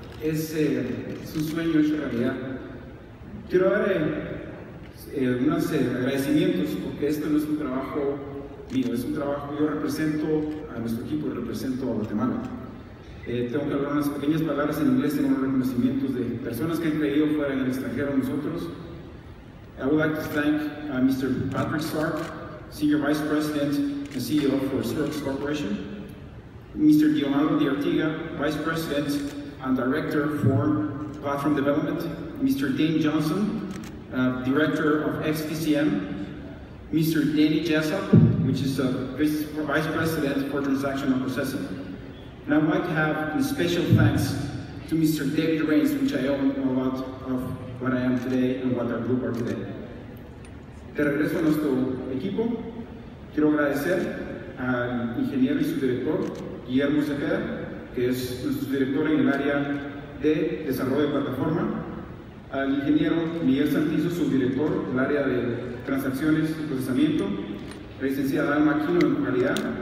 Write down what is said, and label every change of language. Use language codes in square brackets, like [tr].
[es] Es un sueño hecho realidad. Quiero dar algunos agradecimientos, porque esto no es un trabajo mío, es un trabajo que yo represento a nuestro equipo y represento a Guatemala. Tengo que hablar unas pequeñas palabras en inglés, tengo unos reconocimientos de personas que han creído fuera en el extranjero a nosotros. [en] I would like to thank Mr. Patrick Stark, Senior Vice President and CEO for Stark Corporation. Mr. Diomando de Ortiga, Vice President and Director for Platform Development. Mr. Dane Johnson, Director of XTCM. Mr. Danny Jessup, which is Vice President for Transaction and Processing. And I'd like to have a special thanks to Mr. David Raines, which I own a lot of what I am today and what our group are today. [es] De regreso a nuestro equipo, quiero agradecer al ingeniero y su director, Guillermo Cepeda, que es nuestro director en el área de desarrollo de plataforma, al ingeniero Miguel Santizo, su director del área de transacciones y procesamiento, la licenciada Alma Aquino en localidad,